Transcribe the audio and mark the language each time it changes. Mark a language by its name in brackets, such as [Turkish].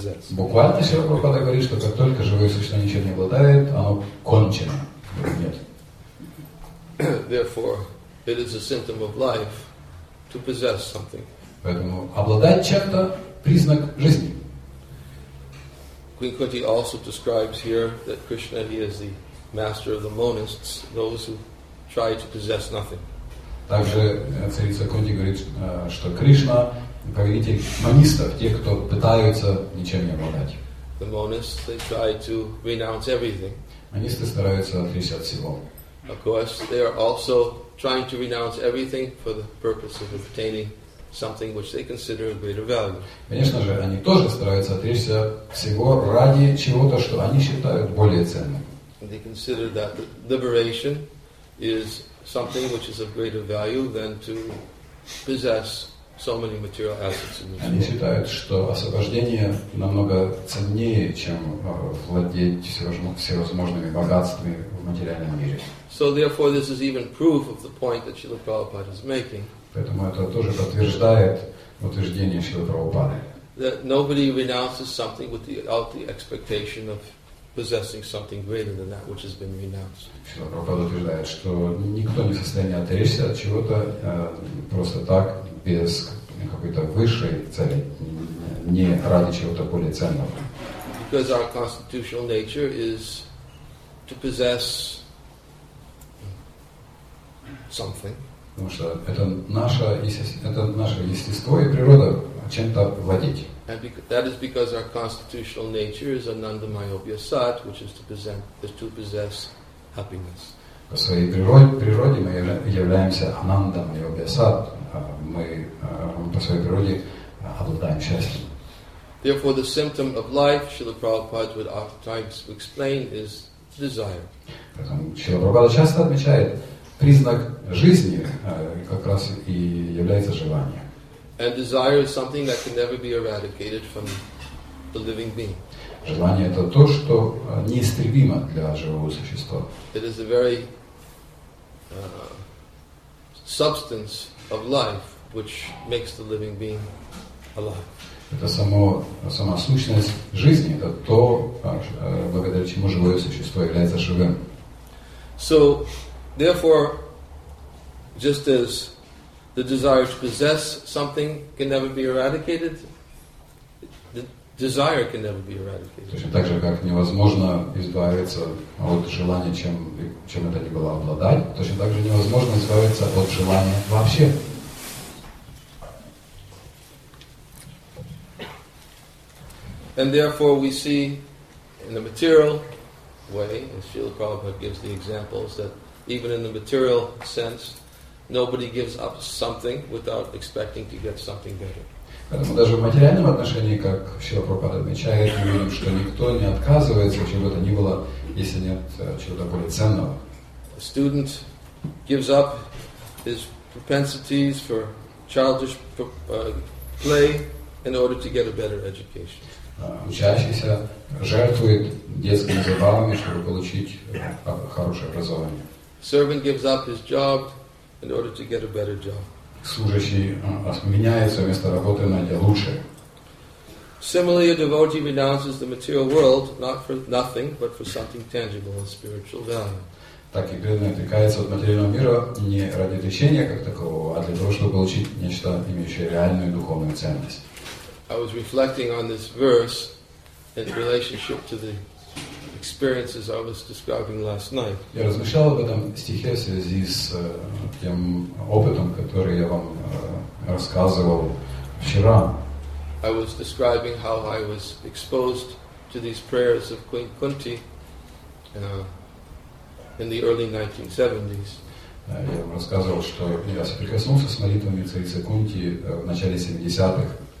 [Russian] Буквально Шрила Прабхупада говорит, что как только живое существо ничем не обладает, оно кончено. Нет. [English] Therefore, it is a symptom of life to possess something. [Russian] Поэтому обладать чем-то признак жизни. [English] Queen Kunti also describes here that Krishna he is the master of the monists, those who try to possess nothing. [Russian] Также царица Кунти говорит, что Кришна повелитель монистов, тех, кто пытаются ничем не обладать. [English] The monists, they try to renounce everything. [Russian] Монисты стараются отречься от всего. [English] Of course, they are also trying to renounce everything for the purpose of obtaining something which they consider of greater value. [Russian] Конечно же, они тоже стараются отречься всего ради чего-то, что они считают более ценным. [English] And they consider that liberation is something which is of greater value than to possess so many material assets in this world. [Russian] Они считают, что освобождение намного ценнее, чем владеть всевозможными богатствами в материальном мире. [English] So therefore, this is even proof of the point that Srila Prabhupada is making. [Russian] Поэтому это тоже подтверждает утверждение Шрилы Прабхупады. [English] That nobody renounces something without the expectation of possessing something greater than that which has been renounced. [Russian] Шрила Прабхупада утверждает, что никто не в состоянии отречься от чего-то просто так, без какой-то высшей цели, не ради чего-то более ценного. [English] Because our constitutional nature is to possess something. [Russian] Потому что это наше естество и природа чем-то владеть. [English] And that is because our constitutional nature is ananda mayobhya sat, which is to possess happiness. [Russian] По своей природе мы являемся ананда мойобья сат. Мы по своей природе обладаем счастьем. [English] Therefore, the symptom of life, Srila Prabhupada would oftentimes explain, is desire. [Russian] Поэтому Srila Prabhupada часто отмечает, признак жизни как раз и является желание. [English] And desire is something that can never be eradicated from the living being. [Russian] Желание — это то, что неистребимо для живого существа. [English] It is the very substance of life which makes the living being alive. [Russian] Это сама сущность жизни, это то, благодаря чему живое существо является живым. [English] So, therefore, just as the desire to possess something can never be eradicated, the desire can never be eradicated. [Russian] Точно так же, как невозможно избавиться от желания, чем это ни было обладать, точно так же невозможно избавиться от желания вообще. [English] And therefore we see in the material way, as Srila Prabhupada gives the examples, that even in the material sense, nobody gives up something without expecting to get something better. [Russian] Поэтому даже в материальном отношении, как Шрила Прабхупада отмечает, мы видим, что никто не отказывается от чего-то ни было, если нет чего-то более ценного. [English] A student gives up his propensities for childish play in order to get a better education. [Russian] Учащийся жертвует детскими забавами, чтобы получить хорошее образование. [English] Servant gives up his job in order to get a better job. [Russian] Служащий меняется вместо работы, найдя лучшее. [English] Similarly, a devotee renounces the material world not for nothing, but for something tangible and spiritual value. [Russian] Так и преданный отрекается от материального мира не ради отречения как такового, а для того, чтобы получить нечто, имеющее реальную духовную ценность. [English] I was reflecting on this verse in relationship to the experiences I was describing last night. [Russian] Я размышлял об этом стихе в связи с тем опытом, который я вам рассказывал вчера. [English] I was describing how I was exposed to these prayers of Queen Kunti in the early 1970s. [Russian] Я вам рассказывал, что я соприкоснулся с молитвами царицы Кунти в начале 70-х.